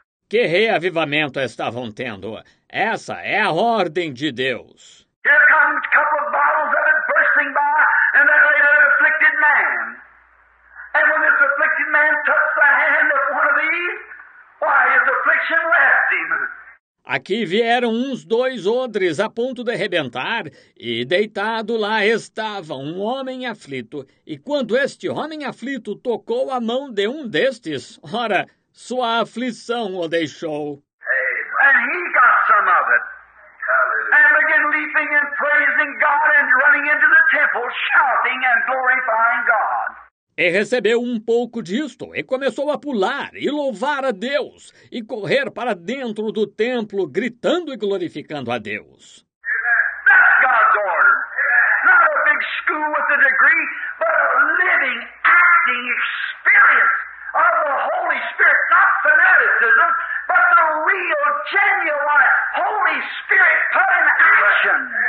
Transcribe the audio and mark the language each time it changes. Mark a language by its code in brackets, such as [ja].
[pt] Que reavivamento estavam tendo? Essa é a ordem de Deus. [en] Here come a couple of bottles of it bursting by, and then later an afflicted man. And when this afflicted man touched the hand of one of these, why, his affliction left him. [pt] Aqui vieram uns dois odres a ponto de arrebentar, e deitado lá estava um homem aflito. E quando este homem aflito tocou a mão de um destes, ora, sua aflição o deixou. [en] Amen. And he got some of it. And began leaping and praising God and running into the temple, shouting and glorifying God. [pt] E recebeu um pouco disto, e começou a pular e louvar a Deus, e correr para dentro do templo, gritando e glorificando a Deus. [en] That's God's order. Not a big school with a degree, but a living, acting experience of the Holy Spirit, not fanaticism, but the real, genuine Holy Spirit put in action.